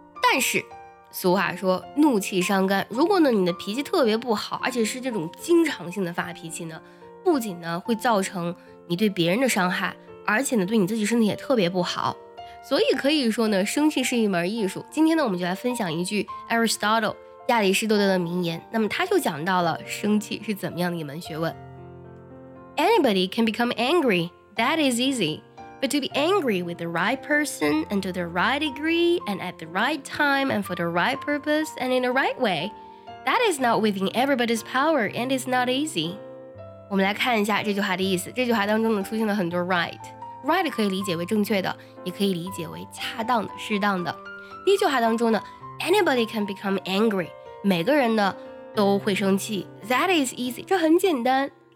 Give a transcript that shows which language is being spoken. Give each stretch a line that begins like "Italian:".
Chinese: 但是俗话说怒气伤肝，如果呢你的脾气特别不好，而且是这种经常性的发脾气呢，不仅呢会造成你对别人的伤害，而且呢对你自己身体也特别不好。所以可以说呢，生气是一门艺术。今天呢我们就来分享一句 Aristotle 亚里士多德的名言，那么他就讲到了生气是怎么样的一门学问。
English: Anybody can become angry, that is easy, but to be angry with the right person and to the right degree and at the right time and for the right purpose and in the right way, that is not within everybody's power and is not easy。
Chinese: 我们来看一下这句话的意思。这句话当中呢出现了很多 right 可以理解为正确的，也可以理解为恰当的、适当的。第一句话当中呢，
English: anybody can become angry，
Chinese: 每个人呢都会生气，
English: that is easy，
Chinese: 这很简单。